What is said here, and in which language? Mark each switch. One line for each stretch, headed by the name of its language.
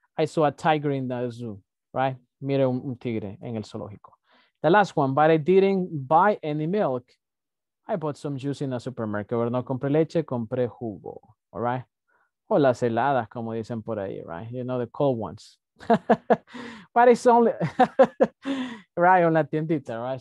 English: I saw a tiger in the zoo, right?
Spanish: Miré un tigre en el zoológico.
English: The last one, but I didn't buy any milk. I bought some juice in a supermarket.
Spanish: Pero no compré leche, compré jugo,
English: all right?
Spanish: O las heladas, como dicen por ahí,
English: right? You know, the cold ones. But it's only, right, on
Spanish: la tiendita,
English: right?